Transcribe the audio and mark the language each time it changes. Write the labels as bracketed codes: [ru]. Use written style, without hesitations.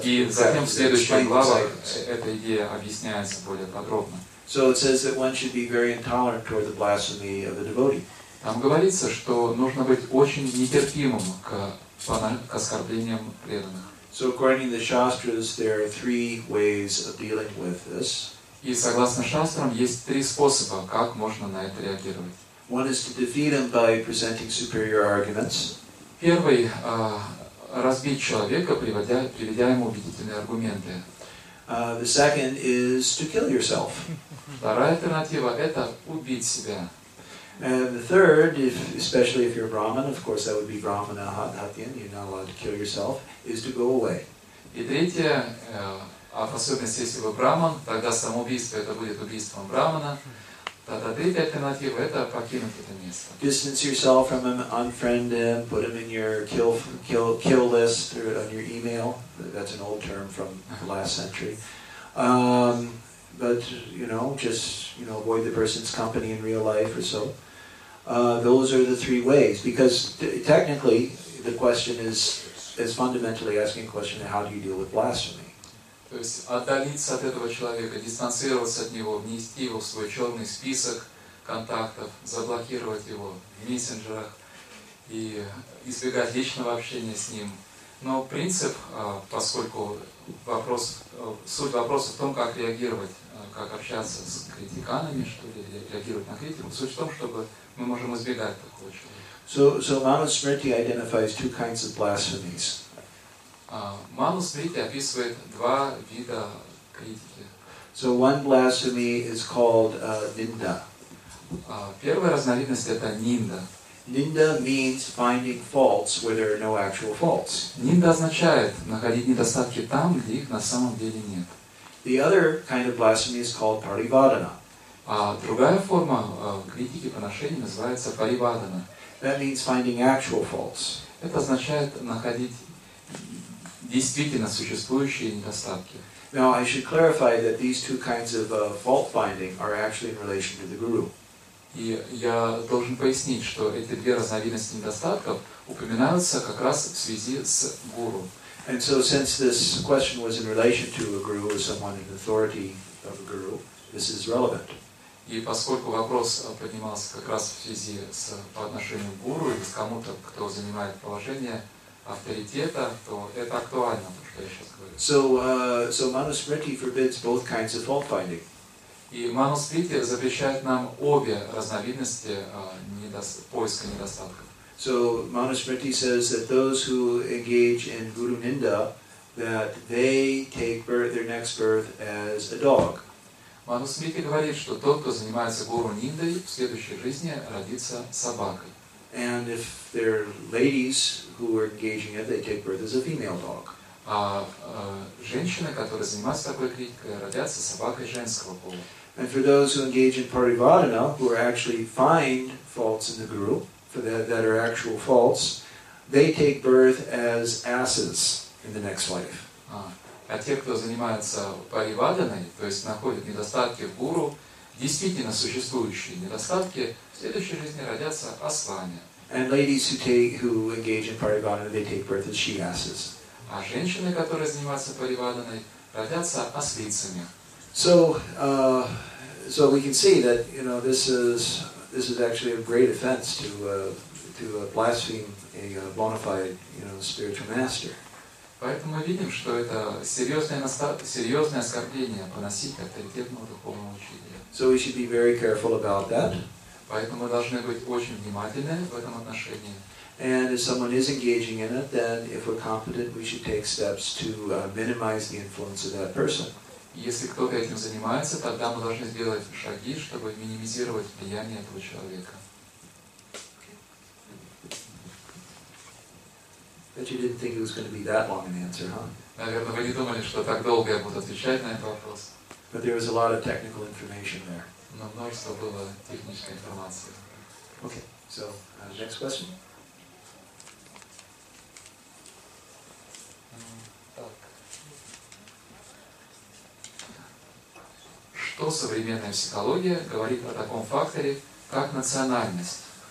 [ru] Затем в следующих главах эта идея объясняется более подробно. [en] So it says that one should be very intolerant toward the blasphemy of a devotee. [ru] Там говорится, что нужно быть очень нетерпимым к оскорблениям преданных. [en] So according to the shastras, there are three ways of dealing with this. [ru] И согласно шастрам, есть три способа, как можно на это реагировать. [en] One is to defeat him by presenting superior arguments. [ru] Первый разбить человека, приведя ему убедительные аргументы. [en] The second is to kill yourself. [ru] Вторая альтернатива – это убить себя. [en] And the third, especially if you're Brahmin, of course that would be Brahmana Hathyan, you're not allowed to kill yourself, is to go away. [ru] И третье, а в особенности если вы Брахман, тогда самоубийство это будет убийством Брахмана, тогда третья альтернатива – это покинуть это место. [en] Distance yourself from him, unfriend him, put him in your kill list on your email. That's an old term from the last century. But just avoid the person's company in real life or so. Those are the three ways. Because technically, the question is fundamentally asking a question: how do you deal with blasphemy? [ru] То есть отдалиться от этого человека, дистанцироваться от него, внести его в свой черный список контактов, заблокировать его в мессенджерах и избегать личного общения с ним. Но принцип, поскольку вопрос, суть вопроса в том, как реагировать. Как общаться с критиканами, что ли, реагировать на критику. Суть в том, чтобы мы можем избегать такого человека. [en] So Manu Smriti identifies two kinds of blasphemies. [ru] Manu Smriti описывает два вида критики. [en] So one blasphemy is called Ninda. [ru] Первая разновидность это Нинда. [en] Ninda means finding faults where there are no actual faults. [ru] Нинда означает находить недостатки там, где их на самом деле нет. [en] The other kind of blasphemy is called Parivadana. [ru] Другая форма критики поношения называется Parivadana. [en] That means finding actual faults. [ru] Это означает находить действительно существующие недостатки. [en] Now I should clarify that these two kinds of fault finding are actually in relation to the guru. [ru] И я должен пояснить, что эти две разновидности недостатков упоминаются как раз в связи с гуру. [en] And so since this question was in relation to a guru or someone in authority of a guru, this is relevant. [ru] И поскольку вопрос поднимался как раз в связи с по отношению к гуру или с кому-то, кто занимает положение авторитета, то это актуально, то, что я сейчас говорю. [en] So Manu Smriti forbids both kinds of fault finding. [ru] И Manu Smriti запрещает нам обе разновидности поиска недостатков. [en] So Manu Smriti says that those who engage in guru ninda, that they take birth, their next birth as a dog. [ru] Manu Smriti говорит, что тот, кто занимается гуру ниндой, в следующей жизни родится собакой. [en] And if they're ladies who are engaging it, they take birth as a female dog. [ru] А женщины, которые занимаются такой критикой, родятся собакой женского пола. [en] And for those who engage in Parivadana, who are actually find faults in the guru. That are actual faults, they take birth as asses in the next life. [ru] А те, кто занимается паривадханой, то есть находит недостатки в гуру, действительно существующие недостатки, в следующей жизни родятся ослами. [en] And ladies who engage in paribhadana, they take birth as she asses. [ru] А женщины, которые занимаются паривадханой, родятся ослицами. [en] So we can see that this is actually a great offense to blaspheme a bona fide, spiritual master. [ru] Поэтому мы видим, что это серьезное оскорбление поносить авторитетного духовного учителя. [en] So we should be very careful about that. [ru] Поэтому мы должны быть очень внимательны в этом отношении. [en] And if someone is engaging in it, then if we're competent, we should take steps to minimize the influence of that person. [ru] Если кто-то этим занимается, тогда мы должны сделать шаги, чтобы минимизировать влияние этого человека. [en] But you didn't think it was going to be that long an answer, huh? [ru] Наверное, вы не думали, что так долго я буду отвечать на этот вопрос. [en] But there was a lot of technical information there. [ru] Но множество было технической информации. [en] Okay, so next question. [ru] Так. Что современная психология говорит о таком факторе, как национальность?